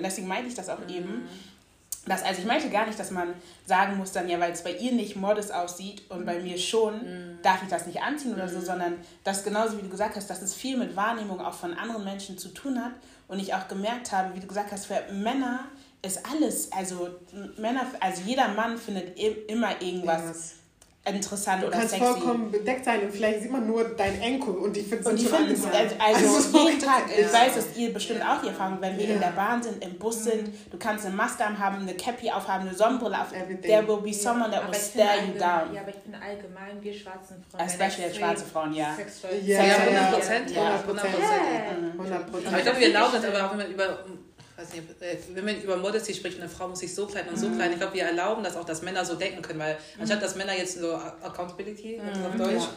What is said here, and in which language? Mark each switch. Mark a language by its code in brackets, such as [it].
[de] Und deswegen meinte ich das auch eben, das, also ich meinte gar nicht, dass man sagen muss dann, ja, weil es bei ihr nicht modest aussieht und bei mir schon, darf ich das nicht anziehen oder so, sondern das genauso, wie du gesagt hast, dass es viel mit Wahrnehmung auch von anderen Menschen zu tun hat und ich auch gemerkt habe, wie du gesagt hast, für Männer ist alles, also Männer, also jeder Mann findet immer irgendwas interessant oder sexy. Du kannst vollkommen bedeckt sein und vielleicht sieht man nur dein Enkel und die finden es und die schon finden es, also jeden Tag. Ich weiß, dass ihr bestimmt auch die Erfahrung, wenn wir in der Bahn sind, im Bus sind, du kannst eine Maske anhaben, eine Cappy aufhaben, eine Sonnenbrille auf. [en] There will be someone that will stare you down. [de] Ja, aber ich bin allgemein, wir schwarzen Frauen. [en] Especially [de] schwarze Frauen, ja. Sexuell. Ja, 100%. Ja, 100%. Aber ich glaube, wir erlauben das aber auch, wenn man über Modesty spricht, eine Frau muss sich so klein und so klein. Ich glaube, wir erlauben das auch, dass Männer so denken können, weil anstatt dass Männer jetzt so Accountability auf Deutsch,